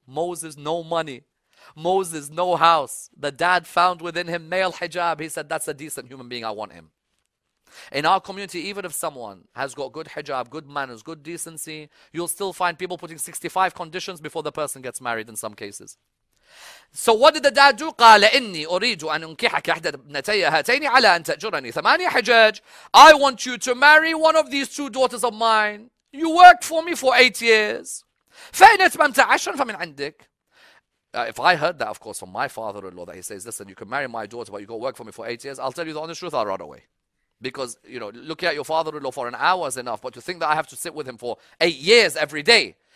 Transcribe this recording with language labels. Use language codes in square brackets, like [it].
[en] Moses, no money. Moses, no house. The dad found within him male hijab. He said, that's a decent human being. I want him. In our community, even if someone has got good hijab, good manners, good decency, you'll still find people putting 65 conditions before the person gets married in some cases. So what did the dad do? [ar] قال إني أريد أن أنكحك إحدى ابنتي هاتين على أن تأجرني ثمانية حجاج. [en] I want you to marry one of these two daughters of mine. You worked for me for 8 years. [ar] فإن أتممت عشرا فمن عندك. [en] If I heard that, of course, from my father-in-law, that he says, listen, you can marry my daughter, but you go work for me for 8 years, I'll tell you the honest truth, I'll run away. Because, you know, looking at your father-in-law for an hour is enough, but to think that I have to sit with him for 8 years every day.